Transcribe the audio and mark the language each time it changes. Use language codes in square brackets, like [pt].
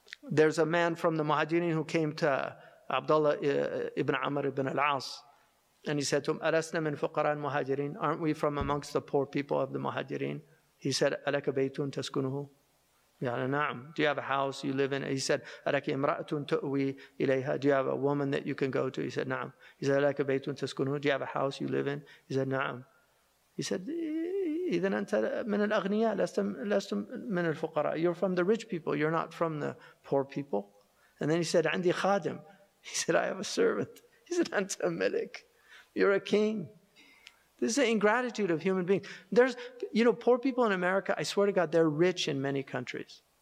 [en] There's a man from the Muhajirin who came to Abdullah ibn Amr ibn al-As, and he said to him, Alasna min fuqara al-Muhajirin? Aren't we from amongst the poor people of the Muhajirin? He said, Alaka baytun taskunuhu? Ya na'am. Do you have a house you live in? He said, Alaka imra'atun tu'wi ilayha? Do you have a woman that you can go to? He said, na'am. He said, Alaka baytun taskunuhu? Do you have a house you live in? He said, na'am. [ar] He said, إذن أنت من الأغنياء لست من الفقراء. [en] You're from the rich people. You're not from the poor people. And then he said, [ar] عندي خادم. [en] He said, I have a servant. He said, [ar] أنت ملك. [en] You're a king. This is the ingratitude of human beings. There's, you know, poor people in America, I swear to God, they're rich in many countries.